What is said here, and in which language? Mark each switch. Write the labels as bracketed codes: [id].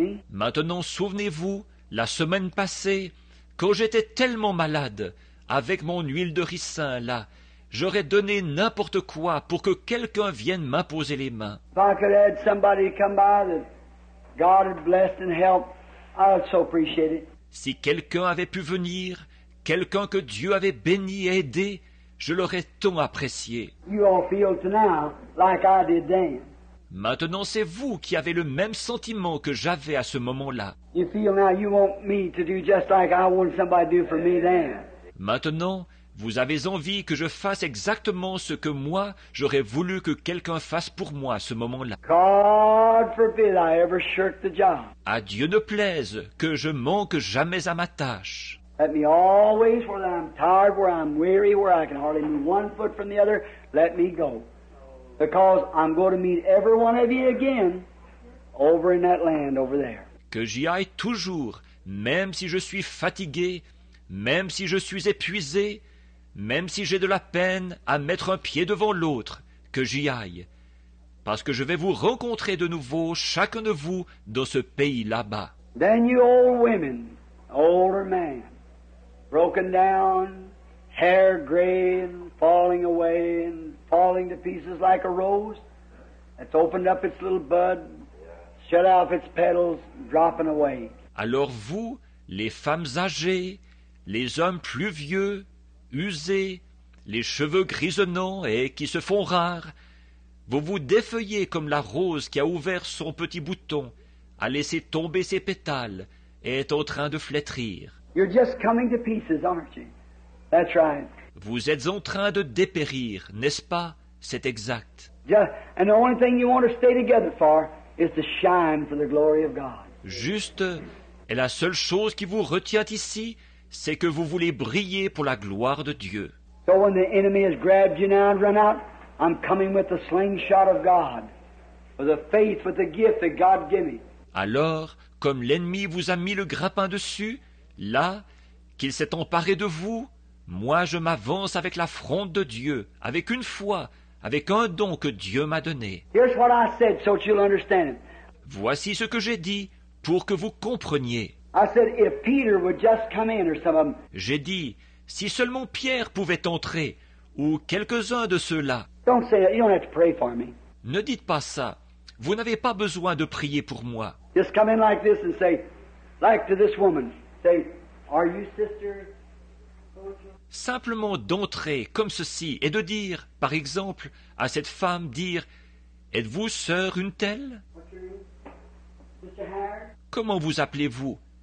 [fr] Maintenant, souvenez-vous, la semaine passée, quand j'étais tellement malade, avec mon huile de ricin là, j'aurais donné n'importe quoi pour que quelqu'un vienne m'imposer les mains. [en] If I could have somebody come by that God had blessed and helped, I would so appreciate it. [fr] Si quelqu'un avait pu venir, quelqu'un que Dieu avait béni et aidé, je l'aurais tant apprécié. [en] You all feel now like I did then. [fr] Maintenant, c'est vous qui avez le même sentiment que j'avais à ce moment-là. [en] You feel now you want me to do just like I want somebody to do for me then. [fr] Maintenant, vous avez envie que je fasse exactement ce que moi, j'aurais voulu que quelqu'un fasse pour moi à ce moment-là. [en] God forbid I ever shirk the job. [fr] À Dieu ne plaise que je manque jamais à ma tâche. [en] Let me always, whether I'm tired, where I'm weary, where I can hardly move one foot from the other, let me go. Because I'm going to meet every one of you again over in that land over there. [fr] Que j'y aille toujours, même si je suis fatigué, même si je suis épuisé, même si j'ai de la peine à mettre un pied devant l'autre, que j'y aille. Parce que je vais vous rencontrer de nouveau, chacun de vous, dans ce pays là-bas. [en] Then you old women, older men, broken down, hair gray and falling away and falling to pieces like a rose that's opened up its little bud, shut off its petals, dropping away. [fr] Alors vous, les femmes âgées, les hommes plus vieux, usés, les cheveux grisonnants et qui se font rares, vous vous défeuillez comme la rose qui a ouvert son petit bouton, a laissé tomber ses pétales et est en train de flétrir. [en] You're just coming to pieces, aren't you? That's right. [fr] Vous êtes en train de dépérir, n'est-ce pas? C'est exact. [en] Just, and the only thing you want to stay together for is to shine for the glory of God. [fr] Juste, et la seule chose qui vous retient ici, c'est que vous voulez briller pour la gloire de Dieu. [en] So when the enemy has grabbed you now and run out, I'm coming with the slingshot of God, with the faith, with the gift that God gave me. [fr] Alors, comme l'ennemi vous a mis le grappin dessus, là, qu'il s'est emparé de vous, moi je m'avance avec la fronde de Dieu, avec une foi, avec un don que Dieu m'a donné. [en] Here's what I said, so you'll understand it. [fr] Voici ce que j'ai dit pour que vous compreniez. [en] I said, if Peter would just come in, or some of them. [fr] J'ai dit, si seulement Pierre pouvait entrer, ou quelques-uns de ceux-là. [en] Don't say that. You don't have to pray for me. [fr] Ne dites pas ça. Vous n'avez pas besoin de prier pour moi. [en] Just come in like this and say, like to this woman, say, are you sister? [fr] Simplement d'entrer comme ceci et de dire, par exemple, à cette femme, dire, êtes-vous sœur une telle? [en] What's your name? Mr. Harris? [fr] Comment vous appelez-vous?